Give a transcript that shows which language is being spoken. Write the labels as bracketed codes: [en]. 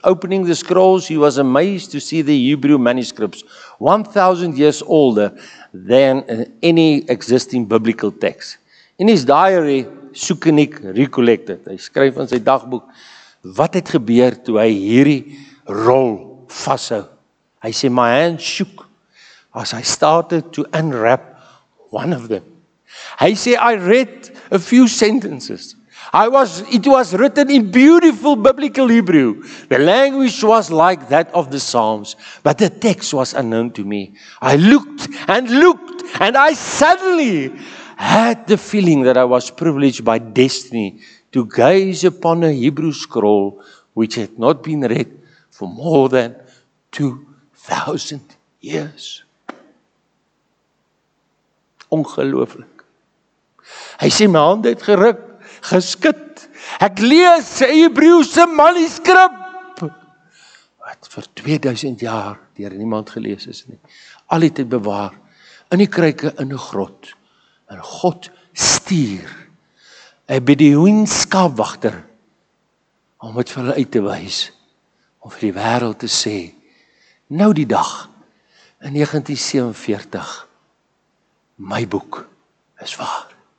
[en] Opening the scrolls, he was amazed to see the Hebrew manuscripts, 1,000 years older than any existing biblical text. In his diary, [af] soek en ek, recollected, hy skryf in sy dagboek, wat het gebeur toe hy hierdie rol vashou? Hy sê, [en] my hand shook as I started to unwrap one of them. [af] Hy sê, [en] I read a few sentences. It was written in beautiful biblical Hebrew. The language was like that of the Psalms, but the text was unknown to me. I looked and looked and I suddenly had the feeling that I was privileged by destiny to gaze upon a Hebrew scroll which had not been read for more than 2,000 years. [af] Ongelooflik. Hy sê, my hand het geruk, geskud. Ek lees 'n Hebreeuse manuskrip wat vir 2,000 jaar deur niemand gelees is nie. Al het dit bewaar in die kruike in 'n grot. En God stuur 'n beduïenskapwagter om dit vir hulle uit te wys, om vir die wêreld te sê, nou die dag in 1947, my boek is waar.